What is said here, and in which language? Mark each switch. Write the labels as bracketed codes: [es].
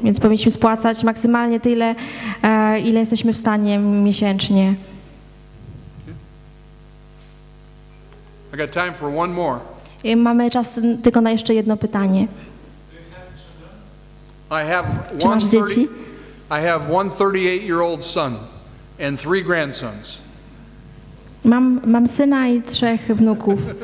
[pl] Więc powinniśmy spłacać maksymalnie tyle, ile jesteśmy w stanie miesięcznie. [en] I got time for one more. [pl] Mamy czas tylko na jeszcze jedno pytanie. [en] Do you have [pl] Czy masz dzieci? [en] I have one 38-year-old son and three grandsons. [pl] Mam syna i trzech wnuków.